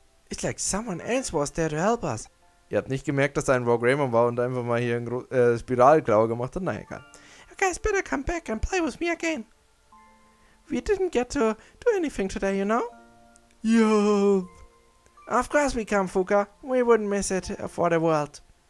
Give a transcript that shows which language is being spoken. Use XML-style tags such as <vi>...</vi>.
<en>It's like someone else was there to help us.</en> <de>Ihr habt nicht gemerkt, dass er ein Wargreymon war und einfach mal hier ein Spiralklau gemacht hat? Nein, egal.</de> <en>You guys better come back and play with me again. We didn't get to do anything today, you know? Yeah. Of course we come, Fuka. We wouldn't miss it for the world.</en>